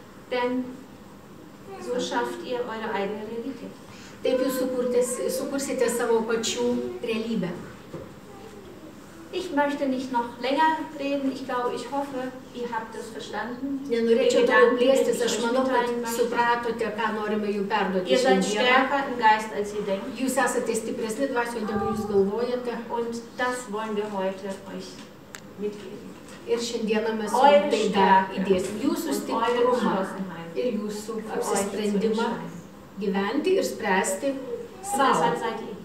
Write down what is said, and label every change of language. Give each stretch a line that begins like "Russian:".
German: Denn so schafft ihr eure eigene Realität.
Lithuanian: Taip jūs sukursite savo pačių realybę.
German: Ich möchte nicht noch länger reden. Ich glaube, ich hoffe, ihr habt das verstanden.
Lithuanian: Nenorėčiau daug plėstis, aš manau, kad supratote, ką norime jų perduoti.
German: Ihr seid stärker im Geist, als ihr denkt.
Lithuanian: Jūs esate stipresni dvasioje, negu jūs galvojate.
German: Und das wollen wir heute euch mitgeben.
Lithuanian: Ir šiandieną mes jums tai dar įdėsim. Jūsų stiprumą ir jūsų apsisprendimą gyventi ir spręsti savo.